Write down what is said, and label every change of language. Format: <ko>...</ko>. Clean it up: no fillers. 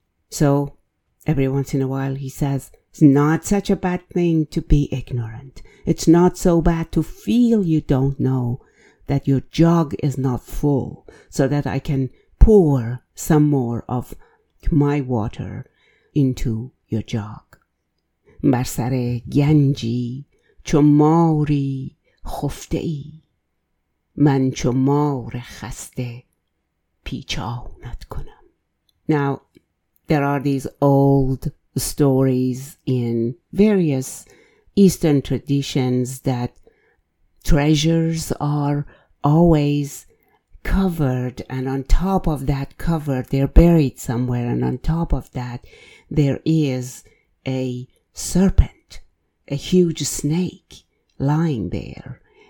<en>So, every once in a while, he says, it's not such a bad thing to be ignorant. It's not so bad to feel you don't know, that your jug is not full, so that I can pour some more of my water into your jug.</en> <fa>بر سر گنجی چو ماری خفته ای، من چو مار خسته پیچانت کنم.</fa> <en>Now, there are these old stories in various Eastern traditions that treasures are always covered, and on top of that cover, they're buried somewhere, and on top of that, there is a serpent, a huge snake lying there.</en>